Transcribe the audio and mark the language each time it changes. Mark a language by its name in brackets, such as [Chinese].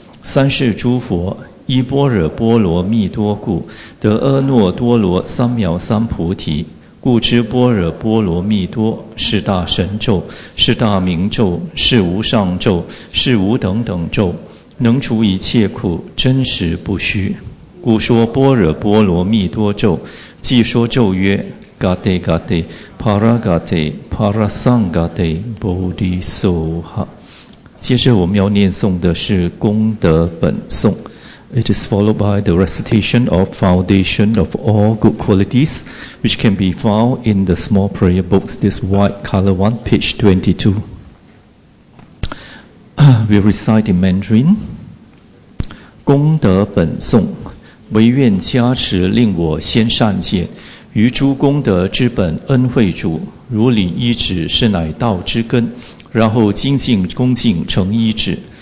[Chinese] 三世诸佛依般若波罗蜜多故，得阿耨多罗三藐三菩提，故知般若波罗蜜多是大神咒，是大明咒，是无上咒，是无等等咒，能除一切苦，真实不虚。故说般若波罗蜜多咒，即说咒曰：嘎帝嘎帝，帕拉嘎帝，帕拉桑嘎帝，波利苏哈。接着我们要念诵的是功德本颂。 [English] It is followed by the recitation of foundation of all good qualities, which can be found in the small prayer books, this white color one, page 22. We recite in Mandarin. [Chinese] 功德本颂，唯愿加持令我先善见，于诸功德之本恩惠主，如理依止是乃道之根，然后精进恭敬成依止。